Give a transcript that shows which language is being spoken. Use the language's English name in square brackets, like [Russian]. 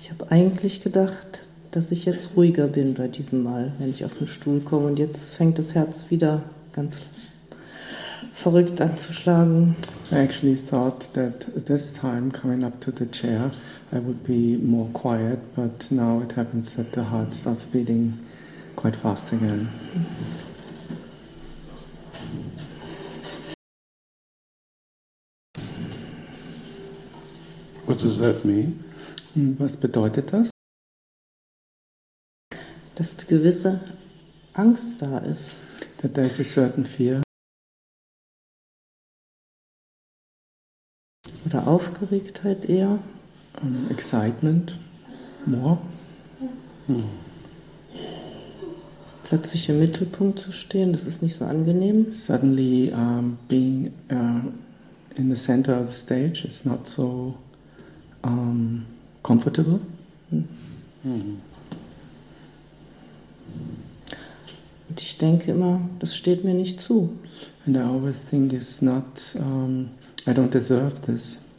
[German] Eigentlich gedacht, dass ich jetzt ruhiger bin bei diesem Mal, wenn ich auf den Stuhl komme. Und jetzt fängt das Herz wieder ganz verrückt an zu schlagen. [English] I actually thought that this time coming up to the chair, I would be more quiet, but now it happens that the heart starts beating quite fast again. What does that mean? [German] Was bedeutet das? Dass gewisse Angst da ist. [English] That there is a certain fear. [German] Oder Aufgeregtheit eher. [English] Excitement more. [German] Plötzlich im Mittelpunkt zu stehen, das ist nicht so angenehm. [English] Suddenly being in the center of the stage is not so comfortable. Mm-hmm. [German] Und ich denke immer, das steht mir nicht zu. [English] And I always think it's not, I don't deserve this.